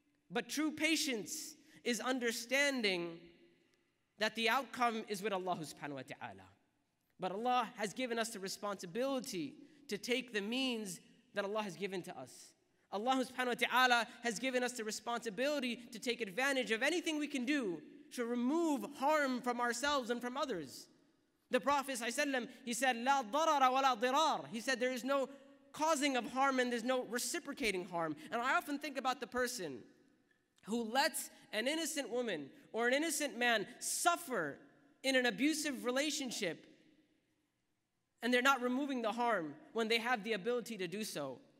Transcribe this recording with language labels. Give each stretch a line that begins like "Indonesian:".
English: But true patience is understanding that the outcome is with Allah subhanahu wa ta'ala. But Allah has given us the responsibility to take the means that Allah has given to us. Allah subhanahu wa ta'ala has given us the responsibility to take advantage of anything we can do to remove harm from ourselves and from others. The Prophet ﷺ, he said,
Arabic: لَا ضَرَرَ وَلَا ضِرَارَ.
English: He said, there is no causing of harm and there's no reciprocating harm. And I often think about the person who lets an innocent woman or an innocent man suffer in an abusive relationship and they're not removing the harm when they have the ability to do so.